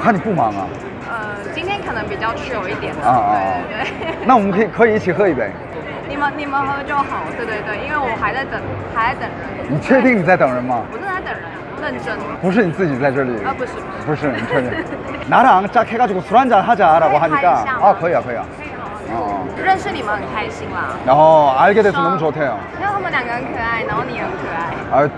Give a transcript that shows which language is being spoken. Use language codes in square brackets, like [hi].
[zh] 所以我得找一个，这样才能配对嘛，怎么样？你要不要成为今天我的一日搭档？那不用，对对对，因为我真的很忙，对，我真的很忙。我看你不忙啊。今天可能比较 chill 一点。啊啊。那我们可以喝一起喝一杯。你们喝就好，对对对，因为我还在等人。你确定你在等人吗？我正在等人，认真。不是你自己在这里。啊，不是。不是，你确认。 [ko] 나랑 짝 해가지고 술 한잔 하자 라고 하니까 아 그래요 그래요 [zh] 认识你们很开心啦 [ko] 어, 알게 돼서 너무 좋대요 [zh] 因为他们两个很可爱然后你很可爱